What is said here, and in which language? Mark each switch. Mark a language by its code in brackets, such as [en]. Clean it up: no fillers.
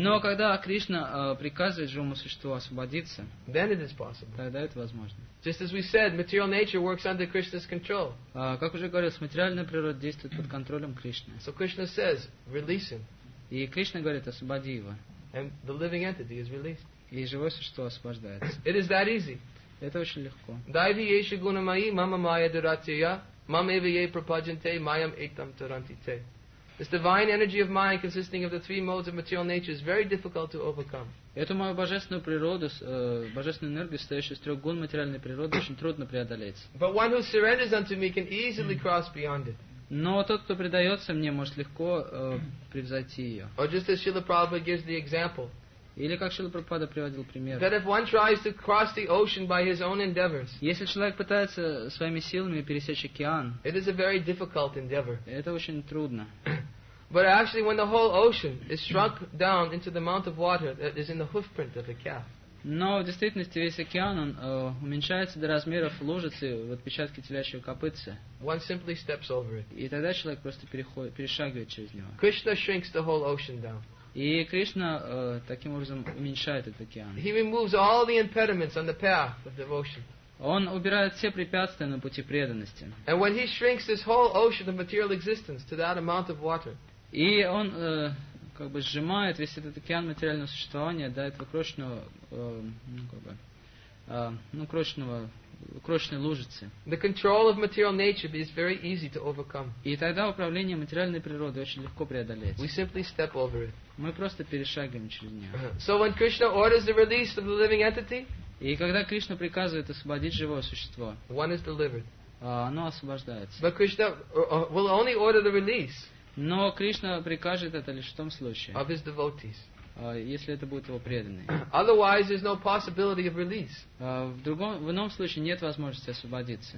[ru] но когда Кришна приказывает живому существу освободиться, [en] then it is possible. [ru] Тогда это возможно. [en] Just as we said, material nature works under Krishna's control. [ru] Как уже говорил, материальная природа действует под контролем Кришны. [en] So Krishna says, release him. [ru] И Кришна говорит, освободи его. [en] And the living entity is released. [ru] И живое существо освобождается. [en] It is that easy. [ru] Это очень легко. [sa] Дайви еши гуна майи мама майя дуратия мам эви ей пропаджанте майям итам тарантите. [en] This divine energy of mine, consisting of the three modes of material nature, is very difficult to overcome. [ru] Эту мою божественную природу, божественную энергию, состоящую из трех гун материальной природы, очень трудно преодолеть. [en] But one who surrenders unto me can easily cross beyond it. [ru] Но тот, кто предается мне, может легко превзойти ее. [en] Or just as Srila Prabhupada gives the example. [ru] Или как Шрила Прабхупада приводил пример. [en] That if one tries to cross the ocean by his own endeavors. [ru] Если человек пытается своими силами пересечь океан. [en] It is a very difficult endeavor. [ru] Это очень трудно. [en] But actually, when the whole ocean is shrunk down into the amount of water that is in the hoofprint of a calf. [ru] Но в действительности весь океан он уменьшается до размеров лужицы в отпечатке телячьего копытца. [en] One simply steps over it. [ru] И тогда человек просто перешагивает через него. [en] Krishna shrinks the whole ocean down. [ru] И Кришна таким образом уменьшает этот океан. [en] He removes all the impediments on the path of devotion. [ru] Он убирает все препятствия на пути преданности. [en] And when he shrinks this whole ocean of material existence to that amount of water. [ru] И он как бы сжимает весь этот океан материального существования до этого крошечного, крошечной лужицы. [en] The control of material nature is very easy to overcome. [ru] И тогда управление материальной природой очень легко преодолеть. [en] We simply step over it. [ru] Мы просто перешагиваем через нее. [en] So when Krishna orders the release of the living entity, [ru] и когда Кришна приказывает освободить живое существо, [en] one is delivered. [ru] Оно освобождается. [en] But Krishna will only order the release. [ru] Но Кришна прикажет это лишь в том случае, [en] of his devotees. [ru] Если это будет его преданный. [en] Otherwise, there's no possibility of release. [ru] В ином случае нет возможности освободиться.